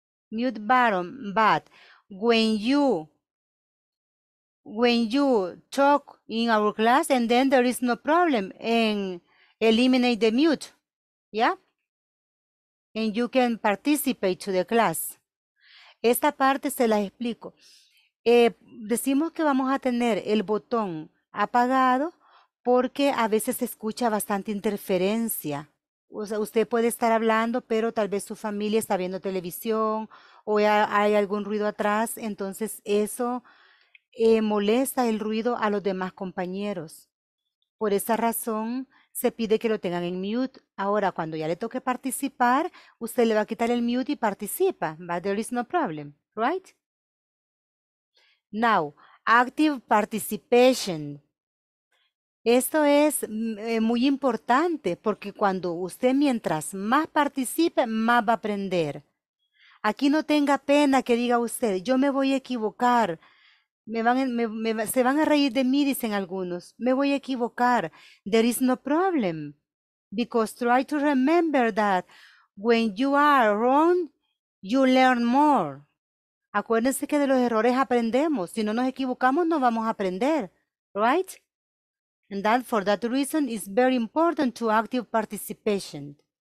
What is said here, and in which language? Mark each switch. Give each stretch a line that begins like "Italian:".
English: mute button, but when you talk in our class, and then there is no problem and eliminate the mute, yeah, and you can participate to the class.
Spanish: Esta parte se la explico. Decimos que vamos a tener el botón apagado porque a veces se escucha bastante interferencia. O sea, usted puede estar hablando, pero tal vez su familia está viendo televisión o hay algún ruido atrás. Entonces, eso molesta el ruido a los demás compañeros. Por esa razón, se pide que lo tengan en mute. Ahora, cuando ya le toque participar, usted le va a quitar el mute y participa.
English: But there is no problem, right? Now, active participation.
Spanish: Esto es muy importante porque cuando usted, mientras más participe, más va a aprender. Aquí no tenga pena que diga usted, yo me voy a equivocar. Se van a reír de mí, dicen algunos. Me voy a equivocar.
English: There is no problem. Because try to remember that when you are wrong, you learn more.
Spanish: Acuérdense que de los errores aprendemos. Si no nos equivocamos, no vamos a aprender. Right?
English: And that, for that reason, is very important to active participation.